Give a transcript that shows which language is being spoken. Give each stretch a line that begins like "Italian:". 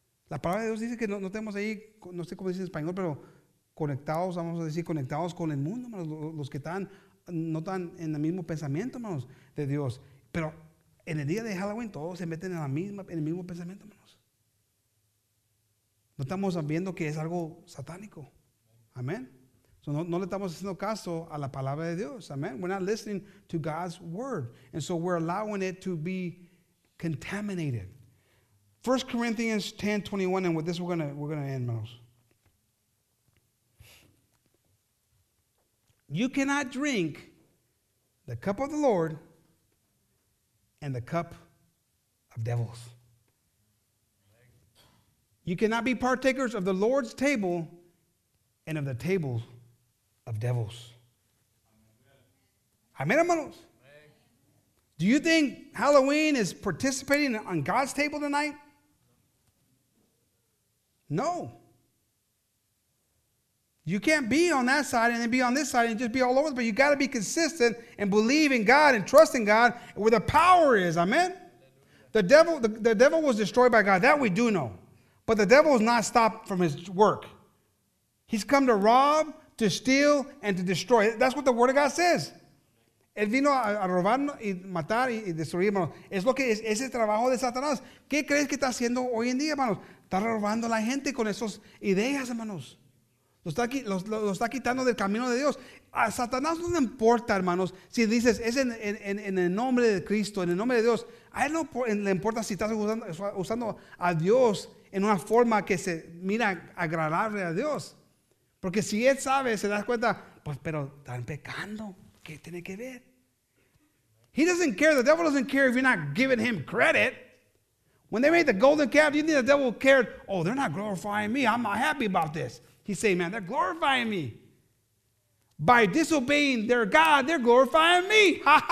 Spanish: La palabra de Dios dice que no tenemos ahí, no sé cómo dice en español, pero conectados, vamos a decir, conectados con el mundo, hermanos, los que están, no están en el mismo pensamiento, hermanos, de Dios. Pero en el día de Halloween, todos se meten en el mismo pensamiento, hermanos. No estamos viendo que es algo satánico. Amén. So no le estamos haciendo caso a la palabra de Dios.
English: Amén. We're not listening to God's word. And so we're allowing it to be contaminated. 1 Corinthians 10:21, and with this we're gonna end, hermanos. You cannot drink the cup of the Lord and the cup of devils. You cannot be partakers of the Lord's table and of the table of devils. Amen, hermanos. Do you think Halloween is participating on God's table tonight? No. You can't be on that side and then be on this side and just be all over. But you got to be consistent and believe in God and trust in God where the power is. Amen. The devil was destroyed by God. That we do know. But the devil is not stopped from his work. He's come to rob, to steal, and to destroy. That's what the word of God says.
Spanish: Él vino a robar y matar y destruir, hermanos. Es lo que es el trabajo de Satanás. ¿Qué crees que está haciendo hoy en día, hermanos? Está robando a la gente con esas ideas, hermanos. Lo está quitando del camino de Dios. A Satanás no le importa, hermanos, si dices es en el nombre de Cristo, en el nombre de Dios. A él no le importa si estás usando a Dios en una forma que se mira agradable a Dios. Porque si él sabe, se da cuenta, pues, pero están pecando. ¿Qué tiene que ver?
English: He doesn't care. The devil doesn't care if you're not giving him credit. When they made the golden calf, you think the devil cared? Oh, they're not glorifying me. I'm not happy about this. He say, man, they're glorifying me. By disobeying their God, they're glorifying me.